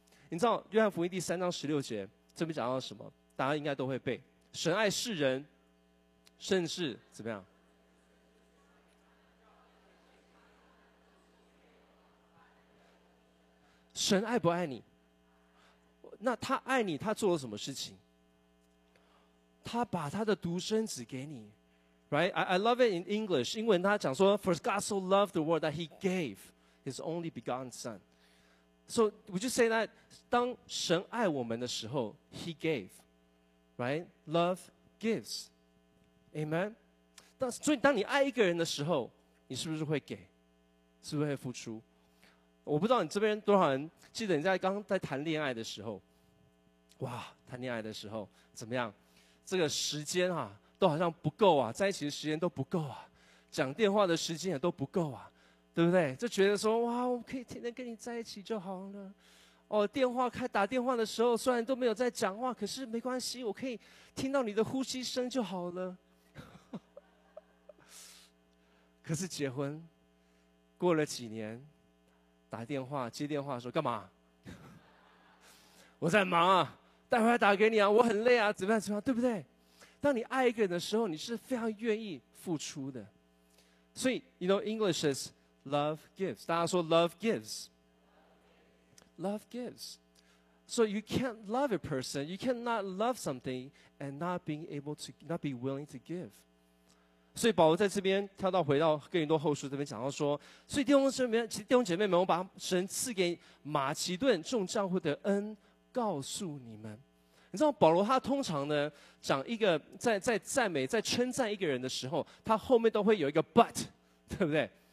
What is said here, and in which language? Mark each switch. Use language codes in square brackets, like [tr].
[zh] 你知道约翰福音第三章十六节这边讲到什么，大家应该都会背，神爱世人甚至怎么样，神爱不爱你，那他爱你他做了什么事情，他把他的独生子给你。 [en] Right, I love it in English. [zh] 英文他讲说 [en] ，For God so loved the world that He gave His only begotten Son. So would you say that [zh] 当神爱我们的时候 [en] ，He gave, right? Love gives, amen. [zh] 所以当你爱一个人的时候，你是不是会给？是不是会付出？我不知道你这边多少人记得你在刚在谈恋爱的时候，哇，谈恋爱的时候怎么样？这个时间啊。都好像不够啊，在一起的时间都不够啊，讲电话的时间也都不够啊，对不对？就觉得说哇，我可以天天跟你在一起就好了。哦，电话开打电话的时候，虽然都没有在讲话，可是没关系，我可以听到你的呼吸声就好了。可是结婚过了几年，打电话接电话说干嘛？我在忙啊，待会儿打给你啊，我很累啊，怎么样怎么样，对不对？当你爱一个人的时候，你是非常愿意付出的。所以 [en] ，you know English is love gives。 [zh] 大家说 [en] love gives， love gives。 So you can't love a person, you cannot love something and not being able to not be willing to give。 [zh] 所以保罗在这边跳到回到哥林多后书这边讲到说，所以弟兄姐妹们，我把神赐给马其顿众教会的恩告诉你们。你知道保罗他通常呢讲一个在赞美在称赞一个人的时候，他后面都会有一个 but， 对不对？